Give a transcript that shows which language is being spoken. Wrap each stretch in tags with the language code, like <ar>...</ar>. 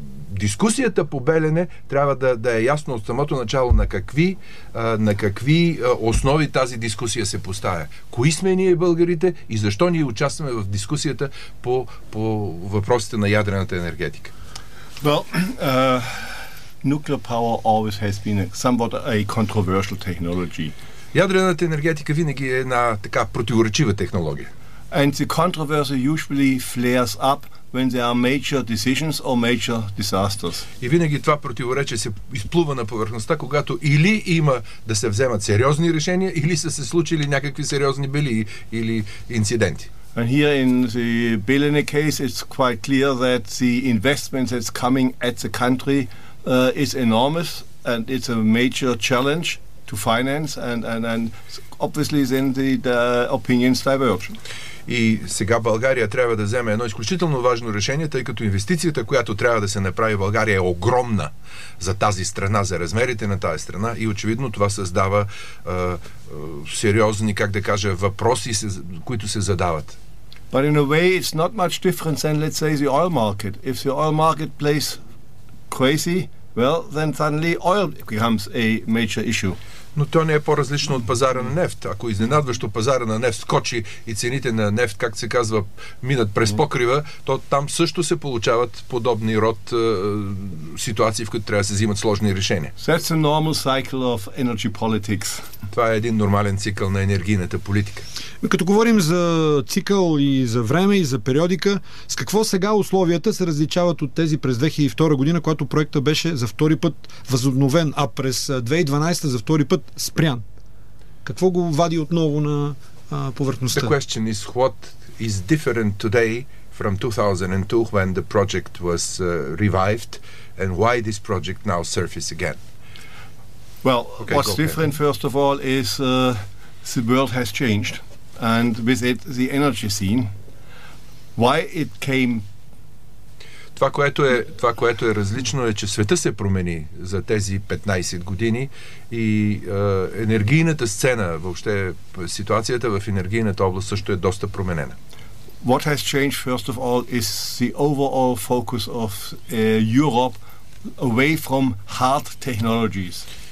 <bg>Дискусията по Белене трябва да е ясно от самото начало на какви основи тази дискусия се поставя. Кои сме ние, българите, и защо ние участваме в дискусията по въпросите на ядрената енергетика?</bg> <en>Well, nuclear power always has been somewhat a controversial technology.</en> <bg>Ядрената енергетика винаги е една така противоречива технология.</bg> <en>And the controversy usually flares up when there are major decisions or major disasters.</en> <bg>И винаги това противоречие се изплува на повърхността, когато или има да се вземат сериозни решения, или са се случили някакви сериозни бели или инциденти.</bg> <en>And here in the Belene case, it's quite clear that the investment that's coming at the country is enormous and it's a major challenge to finance and obviously then the opinions diverge.</en> <bg>И сега България трябва да вземе едно изключително важно решение, тъй като инвестицията, която трябва да се направи в България, е огромна за тази страна, за размерите на тази страна, и очевидно това създава сериозни, как да кажа, въпроси, които се задават.</bg> <en>But in a way it's not much different than, let's say, the oil market. If the oil market plays crazy, well, then suddenly oil becomes a major issue.</en> <bg>Но то не е по-различно от пазара на нефт. Ако изненадващо пазара на нефт скочи и цените на нефт, както се казва, минат през покрива, то там също се получават подобни род ситуации, в които трябва да се взимат сложни решения.</bg> <en>That's a normal cycle of energy politics.</en> <bg>Това е един нормален цикъл на енергийната политика. Като говорим за цикъл и за време и за периодика, с какво сега условията се различават от тези през 2002 година, когато проектът беше за втори път възобновен, а през 2012 за втори път спрян? Какво го вади отново на повърхността?</bg> <en>The question is what is different today from 2002 when the project was revived and why this project now surface again? Well, okay, what's different, ahead. First of all, is the world has changed, and with it, the energy scene. Why it came?</en> <bg>Това, което е различно, е, че света се промени за тези 15 години и енергийната сцена, въобще ситуацията в енергийната област също е доста променена.</bg> <en>What has changed, first of all, is the overall focus of Europe away from hard technologies.</en>